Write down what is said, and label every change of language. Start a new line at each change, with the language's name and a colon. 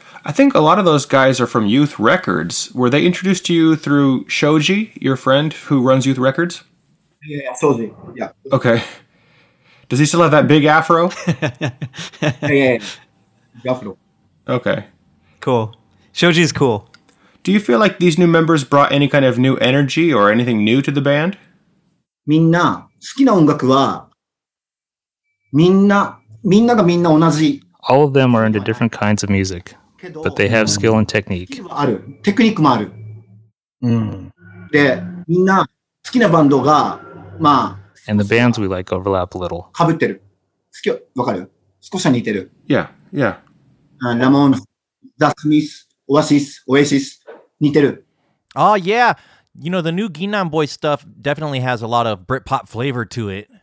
English: I think a lot of those guys are from Youth Records. Were they introduced to you through Shoji, your friend who runs Youth Records? Yeah, Shoji, yeah. Okay. Does he still have that big afro? Yeah, afro. Okay. Cool. Shoji's cool. Do you feel like these new members brought any kind of new energy or anything new to the band?
Japanese: Minna, 好きな音楽は、みんなが同じ。
English: All of them are into different kinds of music, but they have skill and technique.
Japanese: Technique もある。で、みんな好きなバンドが、まあ、
English: and the bands we like overlap a little.
Japanese: かぶってる。好き、わかる？少しは似てる。
English: Yeah, yeah.
Japanese: Ramon, The Smiths, Oasis, 似てる。
English: Oh, yeah. You know, the new Ginnam Boys stuff definitely has a lot of Britpop flavor to it.